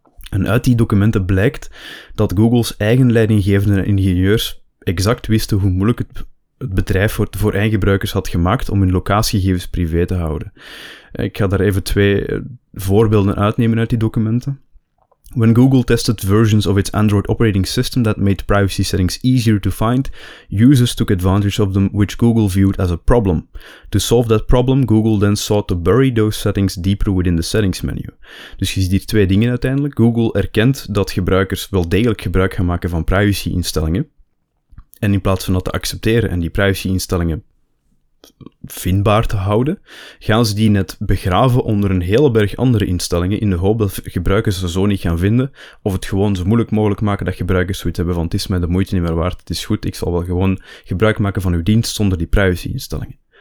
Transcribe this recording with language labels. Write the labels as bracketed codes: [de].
[nl] En uit die documenten blijkt dat Google's eigen leidinggevende ingenieurs exact wisten hoe moeilijk het bedrijf voor eindgebruikers had gemaakt om hun locatiegegevens privé te houden. Ik ga daar even 2 voorbeelden uitnemen uit die documenten. [en] When Google tested versions of its Android operating system that made privacy settings easier to find, users took advantage of them, which Google viewed as a problem. To solve that problem, Google then sought to bury those settings deeper within the settings menu. [nl] Dus je ziet hier 2 dingen uiteindelijk. Google erkent dat gebruikers wel degelijk gebruik gaan maken van privacy-instellingen. En in plaats van dat te accepteren en die privacy-instellingen vindbaar te houden, gaan ze die net begraven onder een hele berg andere instellingen in de hoop dat gebruikers ze zo niet gaan vinden, of het gewoon zo moeilijk mogelijk maken dat gebruikers zoiets hebben van het is mij de moeite niet meer waard, het is goed, ik zal wel gewoon gebruik maken van uw dienst zonder die privacy-instellingen.